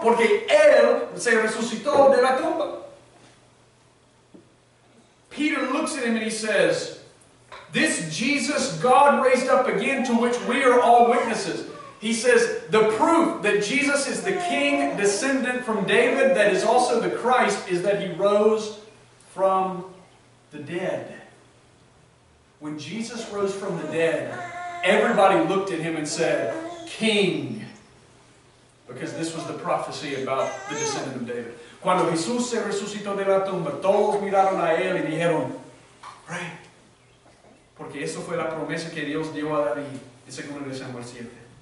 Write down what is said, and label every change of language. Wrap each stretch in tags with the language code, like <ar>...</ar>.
<es>Porque Él se resucitó de la tumba.</es> <en>Peter looks at him and he says, this Jesus God raised up again, to which we are all witnesses. He says, the proof that Jesus is the king descendant from David, that is also the Christ, is that he rose from the dead. When Jesus rose from the dead, everybody looked at him and said, King. Because this was the prophecy about the descendant of David.</en> <es>Cuando Jesús se resucitó de la tumba, todos miraron a él y dijeron, Rey. Porque eso fue la promesa que Dios dio a David en 2 Samuel 7.</es>